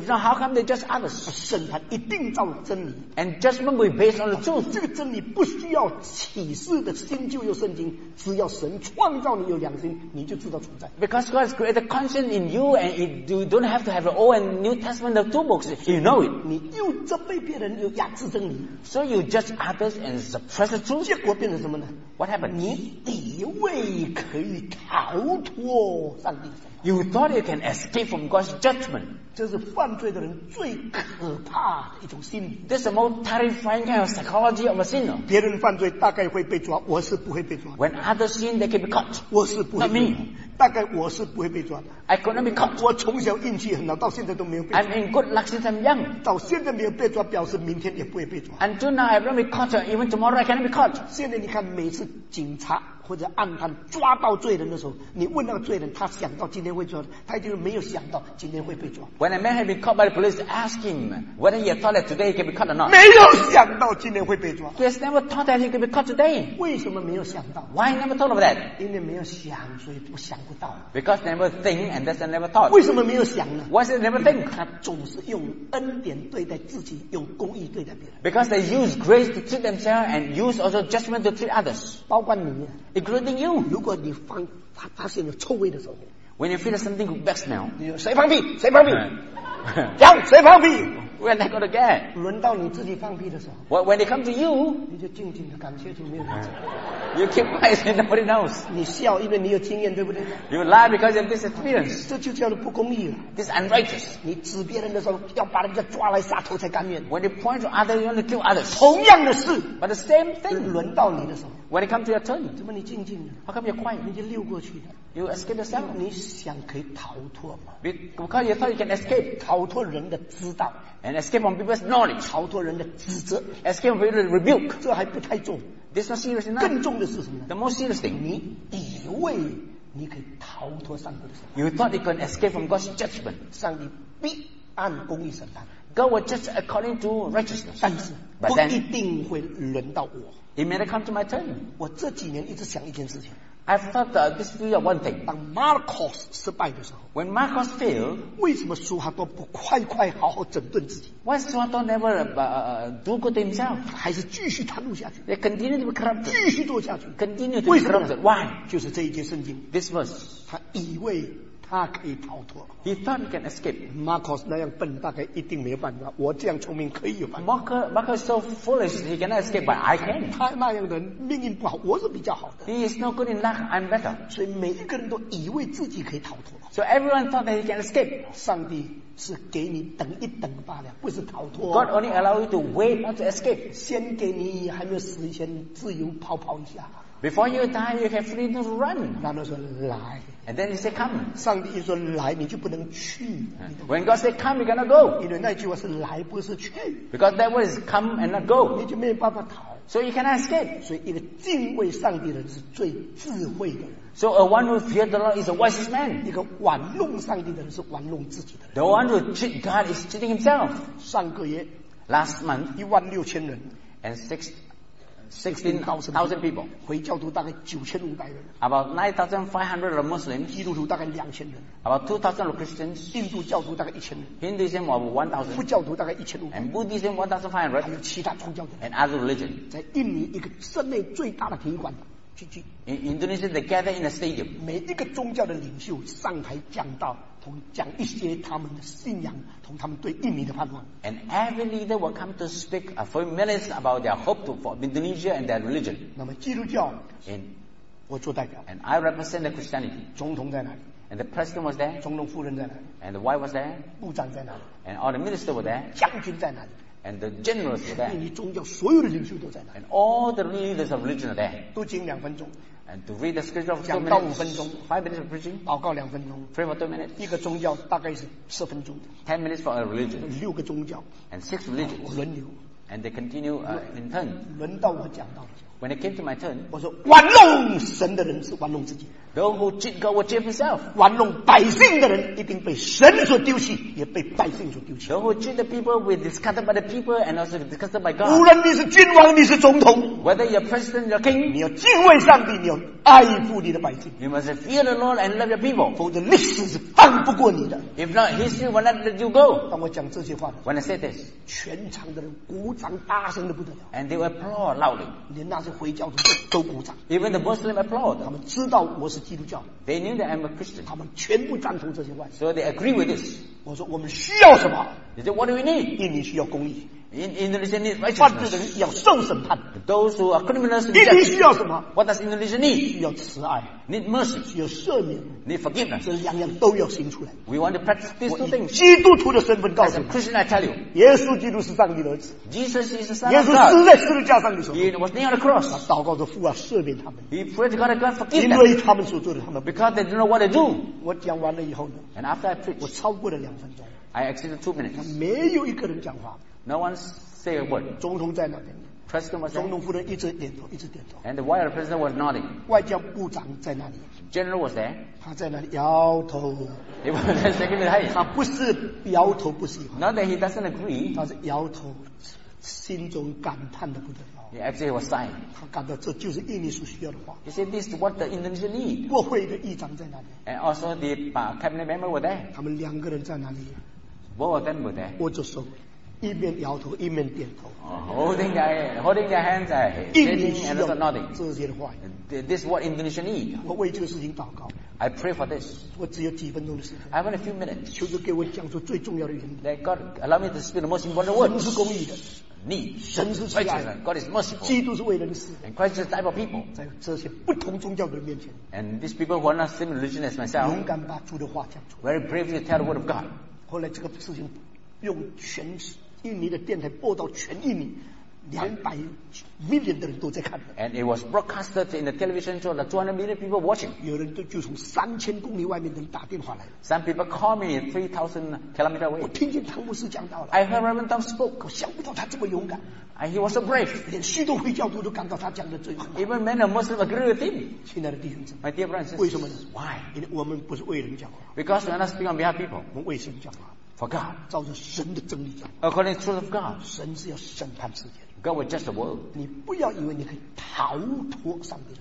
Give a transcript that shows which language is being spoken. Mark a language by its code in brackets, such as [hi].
[en] If not, how come they judge others? [zh] 审判一定照真理。 [en] And judgment will be based on the truth. [zh] 这个真理不需要启示的新旧又圣经，只要神创造你有良心，你就知道存在。 [en] Because God has created conscience in you, and you don't have to have an Old and New Testament of two books. You know it. [zh] 你又责备别人，又压制真理。 [en] So you judge others and suppress the truth. [zh] 结果变成什么呢？ [en] What happened? [zh] 你以为可以逃脱上帝？ [en] You thought you can escape from God's judgment. [zh] 这是犯罪的人最可怕的一种心理。 [en] This is the most terrifying kind of psychology of a sinner. [zh] 别人犯罪大概会被抓，我是不会被抓。 [en] When others sin, they can be caught. [zh] 我是不会被抓。 [en] Not me. [zh] 大概我是不会被抓的。 [en] I could not be caught. [zh] 我从小运气很好，到现在都没有被抓。 [en] I'm in good luck since I'm young. [zh] 到现在没有被抓，表示明天也不会被抓。 [en] Until now, I've not been caught. Even tomorrow, I cannot be caught. [zh] 现在你看，每次警察。或者暗探抓到罪人的时候，你问那个罪人，他想到今天会抓，他就没有想到今天会被抓。 [en] When a man had been caught by the police, ask him whether he thought that today he can be caught or not. [zh] 没有想到今天会被抓。 [en] He has never thought that he can be caught today. [zh] 为什么没有想到？ [en] Why never thought of that? [zh] 因为没有想，所以不想不到。 [en] Because never think and that's never thought. [zh] 为什么没有想呢？ [en] Why does never think? [zh] 他总是用恩典对待自己，用公义对待别人。 [en] Because they use grace to treat themselves and use also judgment to treat others. [zh] 包括你。 [en] Including you. [zh] 如果你发现有臭味的时候， [en] when you feel something bad smell, [zh] 谁放屁？谁放屁？讲谁放屁？ [en] We're not going to get. [zh] 轮到你自己放屁的时候。 [en] Well, when it comes to you, [zh] 你就静静的感谢主，没有人知道。 [en] You keep quiet and nobody knows. [zh] 你笑，因为你有经验，对不对 [en] ？You lie because of this experience. [zh] 这就叫做不公义了。 [en] This unrighteous. [zh] 你指别人的时候，要把人家抓来杀头才甘愿。 [en] When you point to others, you want to kill others. [zh] 同样的事 [en] ，but the same thing. [zh] 轮到你的时候。 [en] When it comes to your turn, [zh] 怎么你静静的 [en] ？How come you're quiet? [zh] 你就溜过去的。 [en] You escape yourself. [zh] 你想可以逃脱吗 [en] ？Because you thought you can escape. [zh] 逃脱人的知道。 [en] And escape from people's knowledge. [zh] 逃脱人的指责。 [en] Escape from people's rebuke. [zh] 这还不太重。 [en] This is not serious enough. [zh] 更重的是什么 [en] ？The most serious thing. [zh] 你以为你可以逃脱上帝的审判 [en] ？You thought you can escape from God's judgment. [zh] 上帝必按公义审判。 [en] God will judge according to righteousness. [zh] 但是不一定会轮到我。 [en] It may not come to my turn. [zh] 我这几年一直想一件事情。 [en] I've thought that this is one thing. [zh] 当 Marcos 失败的时候 [en] ，When Marcos failed, [zh] 为什么苏哈多不快快好好整顿自己 [en] ？Why Suhado never do good himself? [zh] 还是继续贪污下去 [en] ？They continue to be corrupt. [zh] 继续做下去 [en] ，continue to be corrupt. Why? [zh] 就是这一节圣经 [en] ，this verse. [zh] 他以为他可以逃脱 [en] ，He thought he can escape. [zh] Marcos 那样笨，大概一定没有办法。我这样聪明，可以有办法。 [en] Marcos is so foolish, he cannot escape, but I can. [zh] 他那样的命运不好，我是比较好的。 [en] He is no good in luck, I'm better. [zh] 所以每一个人都以为自己可以逃脱。 [en] So everyone thought that he can escape. [zh] 上帝是给你等一等罢了，不是逃脱。 [en] God only allow you to wait, not to escape. [zh] 先给你还没有死前自由跑跑一下。 [en] Before you die, you have freedom to run. [zh] 然后说来。 [en] And then he said, come. [zh] 上帝一说来，你就不能去。 [en] When God said, come, you cannot go. [zh] 因为那句话是来，不是去。 [en] Because that word is come and not go. [zh] 你就没有办法逃。 [en] So you cannot escape. [zh] 所以一个敬畏上帝的人是最智慧的人。 [en] So a one who fears the Lord is a wise man. [zh] 一个玩弄上帝的人是玩弄自己的人。 [en] The one who cheat God is cheating himself. [zh] 上个月 [en] ，last month, [zh] 16,000人 [en] and sixteen thousand people. [zh] 回教徒大概9,500人。 [en] About 9,500 Muslims. [zh] 基督徒大概2,000人。 [en] About 2,000 Christians. [zh] 印度教徒大概1,000人。 [en] Hinduism about 1,000. [zh] 佛教徒大概1,500。 [en] And Buddhism 1,500. [zh] 还有其他宗教的。 [en] And other religion. [zh] 在印尼一个室内最大的体育馆聚集。 [en] In Indonesia, they gather in a stadium. [zh] 每一个宗教的领袖上台讲道。讲一些他们的信仰，同他们对印尼的盼望。 [en] And every leader will come to speak a few minutes about their hope to, for Indonesia and their religion. [zh] 那么基督教 [en] ，and [zh] 我做代表。 [en] And I represent the Christianity. [zh] 总统在哪里 [en] ？And the president was there. [zh] 总统夫人在哪里 [en] ？And the wife was there. [zh] 部长在哪里 [en] ？And all the ministers were there. [zh] 将军在哪里 [en] ？And the generals were there. [zh] 印尼宗教所有的领袖都在哪里 [en] ？And all the leaders of religion are there. [zh] 都讲两分钟。 [en] And to read the scripture for 2 minutes. [zh] 讲到五分钟 [en] ，5 minutes of preaching. [zh] 祷告两分钟 [en] ，pray for 2 minutes. [zh] 一个宗教大概是10分钟。 [en] 10 minutes for a religion. [zh] 六个宗教 [en] ，and 6 religions. [zh] 轮流 [en] ，and they continue in turn. [zh] 轮到我讲到的时候 [en] ，when it came to my turn, [zh] 我说玩弄神的人是玩弄自己。 [en] Those who cheat God will cheat himself. [zh] 玩弄百姓的人一定被神所丢弃，也被百姓所丢弃。 [en] Those who cheat the people will be discarded by the people and also discarded by God. [zh] 无论你是君王，你是总统 [en] ，whether you're president, you're king, [zh] 你要敬畏上帝，你要爱护你的百姓。 [en] You must fear the Lord and love your people. [zh] 否则历史是放不过你的。 [en] If not, history will not let you go. [zh] 当我讲这些话 [en] ，when I say this, [zh] 全场的人鼓掌，大声的不得了。 [en] And they will applaud loudly. [zh] 连那些回教徒都鼓掌。 [en] Even the Muslims applaud. [zh] 他们知道我是。 [en] They knew that I'm a Christian. [zh] 他们全部赞同这些话。 [en] So they agree with this. [zh] 我说我们需要什么 [en] ？They said, what do we need? [zh] 印尼需要公义。 [en] In Indonesia needs righteousness. [zh] 犯罪的人要受审判。 [en] Those who are criminals. [zh] 印尼需要什么 [en] ？What does Indonesia need? [zh] 需要慈爱。 [en] Need mercy. [zh] 需要赦免。 [en] Need forgiveness. [zh] 这两样都要行出来。 [en] We want to practice these two things. [zh] 基督徒的身份告诉你。 [en] As a Christian, I tell you. [zh] 耶稣基督是上帝的儿子。 [en] Jesus is the Son of God. [zh] 耶稣死在十字架上的时候。 [en] He was nailed on the cross. [zh] 他祷告着父啊，赦免他们。 [en] He prayed to God and God forgive them. [zh] 因为他们所做的，他们。 [en] Because they don't know what they do. [zh] 我讲完了以后呢 [en] ？And after I preach. [zh] 我超过了两分钟。 [en] I exceeded 2 minutes. [zh] 没有一个人讲话。 [en] No one say a word. [zh] 总统在那边。 [en] President was [zh] 总统夫人一直点头，一直点头。 [en] And the wire president was nodding. [zh] 外交部长在那里。 [en] General was there. [zh] 他在那里摇头。 [en] He was shaking his head. [zh] 他不是摇头不喜欢。 [en] Not that he doesn't agree. [zh] 他是摇头，心中感叹的不得了。 [en] He actually was sighing. [zh] 他感到这就是印尼所需要的话。 [en] He said this is what the Indonesian need. [zh] 国会的议长在那里。 [en] And also the cabinet member were there. [zh] 他们两个人在哪里 [en] ？Both of them were there. [zh] 握着手。一边摇头一边点头、 [en] oh, holding their hands shaking and also nodding. [zh] 这些的话 [en] This is what Indonesia needs. [zh] 我为这个事情祷告 [en] I pray for this. [zh] 我只有几分钟的时间。 [en] I have only a few minutes. [zh] 求主给我讲出最重要的原因。 [en] Let God allow me to speak the most important words. [zh] 神是公义的。神是慈爱的。 [en] God is merciful. [zh] 基督是为人死。 [en] And Christ is the type of people. [zh] 在这些不同宗教的人面前。 [en] And these people who are not same religion as myself. [zh] 勇敢把主的话讲出。 [en] Very brave to tell the word of God. [zh] 后来这个事情用全印尼的电台播到全印尼。 [en] 200 million [zh] 的人都在看的。 [en] And it was broadcasted in the television show that 200 million people watching. [zh] 有人就从3000公里外面的人打电话来。 [en] Some people call me 3000 kilometers away. [zh] 我听见汤姆斯讲到了。 [en] I heard Reverend Tom spoke. [zh] 我想不到他这么勇敢。 [en] And he was so brave. [zh] 连许多回教徒都感到他讲的最好。 [en] Even many Muslims agree with him. [zh] 亲爱的弟兄姊妹。 [en] My dear brothers. [zh] 为什么呢 [en] ？Why？ [zh] 因为我们不是为人讲话。 [en] Because we are not speaking on behalf of people. [zh] 我们为神讲话。 [en] For God. [zh] 照着神的真理讲。 [en] According to the truth of God. [zh] 神是要审判世界。 [en] God will judge the world. [zh] 你不要以为你可以逃脱上帝。